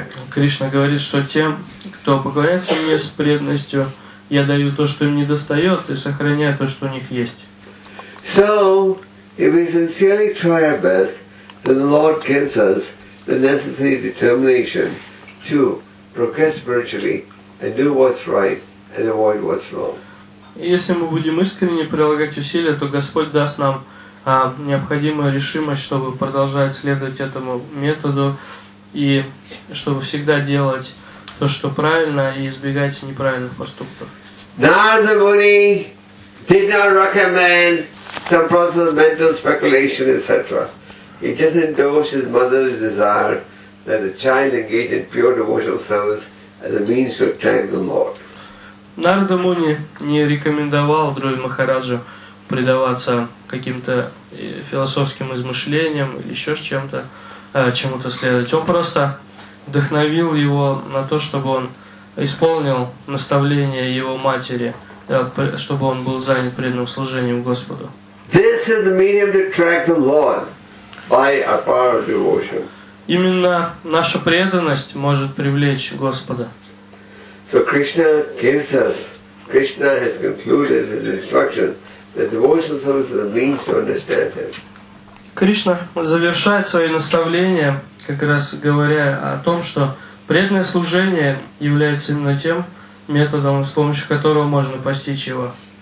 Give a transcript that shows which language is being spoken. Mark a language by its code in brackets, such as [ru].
[ru] Кришна говорит, что тем, кто поклоняется мне с преданностью, я даю то, что им не достает, и сохраняю то, что у них есть. [en] So, if we sincerely try our best, then the Lord gives us the necessary determination to progress spiritually and do what's right and avoid what's wrong. [ru] Если мы будем искренне прилагать усилия, то Господь даст нам необходимую решимость, чтобы продолжать следовать этому методу. И чтобы всегда делать то, что правильно, и избегать неправильных поступков. [en] Narada Muni did not recommend some process of mental speculation, etc. He just endorsed his mother's desire that the child engage in pure devotional service as a means to attain the Lord. [ru] Narada Muni не рекомендовал Друви Махараджу предаваться каким-то философским измышлениям или еще с чем-то. Чему-то следовать. Он просто вдохновил его на то, чтобы он исполнил наставление его матери, да, чтобы он был занят преданным служением Господу. [en] This is the medium to attract the Lord by our power of devotion. [ru] Именно наша преданность может привлечь Господа. [en] So Krishna gives us, Krishna has concluded his instruction that devotional service is a means to understand Him. [ru] Кришна завершает свои наставления, как раз говоря о том, что преданное служение является именно тем методом, с помощью которого можно постичь его.